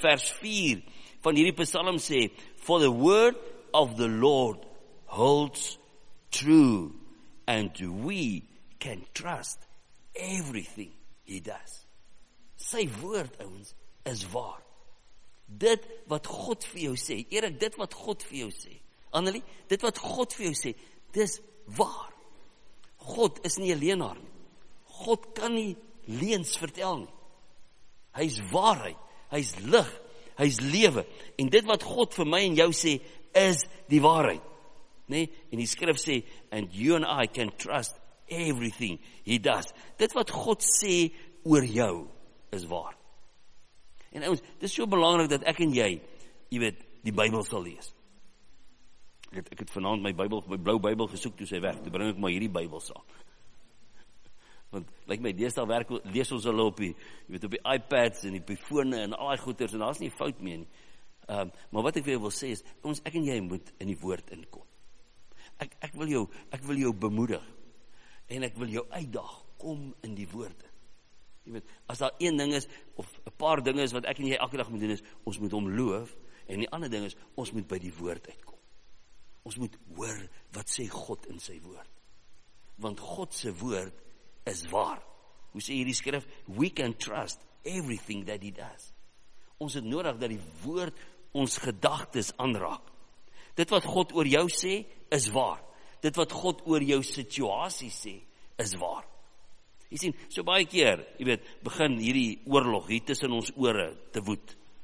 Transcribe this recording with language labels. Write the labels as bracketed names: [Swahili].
[Afrikaans] Vers 4 van hierdie Psalm sê, [English] for the word of the Lord holds true and we can trust everything He does. [Afrikaans] Sy woord, ouens, is waar. Dit wat God vir jou sê, Erik, dit wat God vir jou sê, Annelie, dit wat God vir jou sê, dis waar. God is nie 'n leenaar nie. God kan nie leens vertel nie. Hy is waarheid, hy is lig, hy is lewe. En dit wat God vir my en jou sê, is die waarheid. Nee? En die skrif sê, [English] and you and I can trust everything He does. [Afrikaans] Dit wat God sê oor jou is waar. En ouens, dit is so belangrik dat ek en jy, jy weet, die Bybel sal lees. Ek het vanaand my Bybel, my blou Bybel gesoek toe sy weg. Toe bring ek maar hierdie Bybel saam. Want like my deesdae werk lees ons hulle op die, jy weet, op die iPads en die fone en al die goeters en daar's nie fout mee nie. Maar wat ek vir jou wil sê is, ons ek en jy moet in die woord inkom. Ek wil jou bemoedig. En ek wil jou uitdaag, kom in die woorde. Jy weet, as daar een ding is, of 'n paar dinge is wat ek en jy elke dag moet doen is, ons moet hom loof, en die ander ding is, ons moet by die woord uitkom. Ons moet hoor wat sê God in sy woord. Want God se woord is waar. Hoe sê hierdie skrif? [English] We can trust everything that He does. [Afrikaans] Ons het nodig dat die woord ons gedagtes aanraak. Dit wat God oor jou sê, is waar. Dit wat God oor jou situasie sê, is waar. Jy sien, so baie keer, jy weet, begin hierdie oorlog hier tussen ons ore te woed.